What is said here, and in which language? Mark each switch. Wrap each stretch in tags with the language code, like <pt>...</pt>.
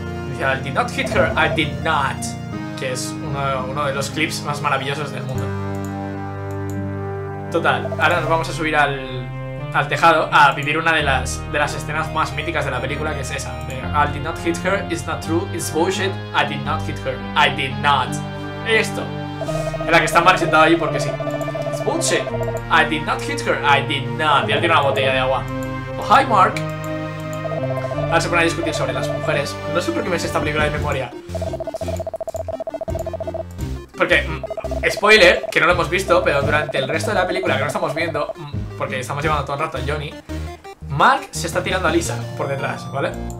<es>Dice,</es> <en>I did not hit her, I did not.</en> <es>Que es uno de los clips más maravillosos del mundo. Total, ahora nos vamos a subir al tejado a vivir una de las escenas más míticas de la película, que es esa.</es> <en>I did not hit her, it's not true, it's bullshit, I did not hit her, I did not.</en> <es>Esto. En la que está Mark sentado allí porque sí.</es> <en>It's bullshit, I did not hit her, I did not.</en> <es>Y él tiene una botella de agua.</es> <en>Oh, hi Mark.</en> <es>Ahora se pone a discutir sobre las mujeres. No sé por qué me sé esta película de memoria. Porque, spoiler, que no lo hemos visto, pero durante el resto de la película que no estamos viendo, porque estamos llevando todo el rato a Johnny, Mark se está tirando a Lisa por detrás, ¿vale?</es>